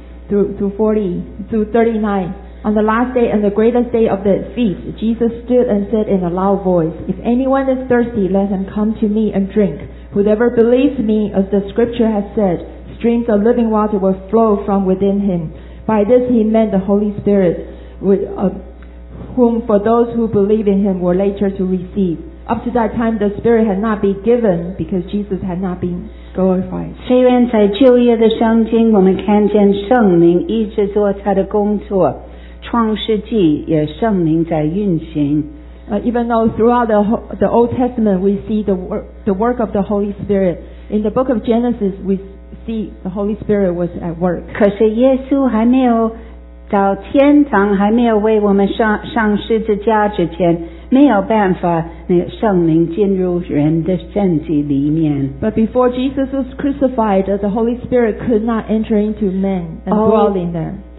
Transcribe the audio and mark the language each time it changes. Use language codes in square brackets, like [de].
[en] Verses 37 through 39 On the last day and the greatest day of the feast Jesus stood and said in a loud voice If anyone is thirsty let him come to me and drink Whoever believes me as the scripture has said Streams of living water will flow from within him By this he meant the Holy Spirit whom for those who believe in him were later to receive. Up to that time, the Spirit had not been given because Jesus had not been glorified. [zh] 虽然在旧约的圣经，我们看见圣灵一直做他的工作。创世纪也圣灵在运行。 [en] Even though throughout the Old Testament we see the work of the Holy Spirit, in the book of Genesis we see the Holy Spirit was at work. [zh] 可是耶稣还没有到天堂，还没有为我们上十字架之前。没有办法，那圣灵进入人的身体里面。 [en] But before Jesus was crucified, the Holy Spirit could not enter into men and dwell in them.